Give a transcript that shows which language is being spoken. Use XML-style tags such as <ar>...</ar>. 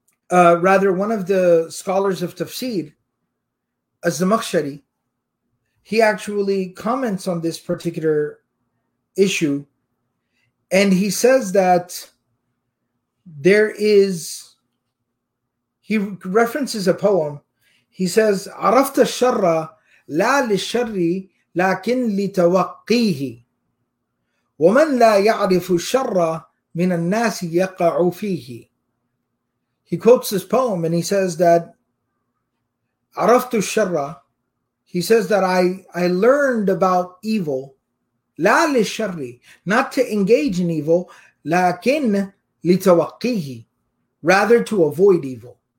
<en>rather one of the scholars of Tafsir, Az-Zamakhshari, he actually comments on this particular issue, and he says that there is, he references a poem.</en> <ar>He says, عَرَفْتَ الشَّرَّ لَا لِلشَّرِّ لَكِنْ لِتَوَقِّيهِ وَمَنْ لَا يَعْرِفُ الشَّرَّ مِنَ النَّاسِ يَقَعُ فِيهِ.</ar> <en>He quotes this poem and he says that</en> <ar>عَرَفْتُ الشَّرَّ,</ar> <en>he says that I learned about evil,</en> <ar>لَا لِلشَّرِّ,</ar> <en>not to engage in evil,</en> <ar>لَكِنْ لِتَوَقِّيهِ,</ar> <en>rather to avoid evil.</en>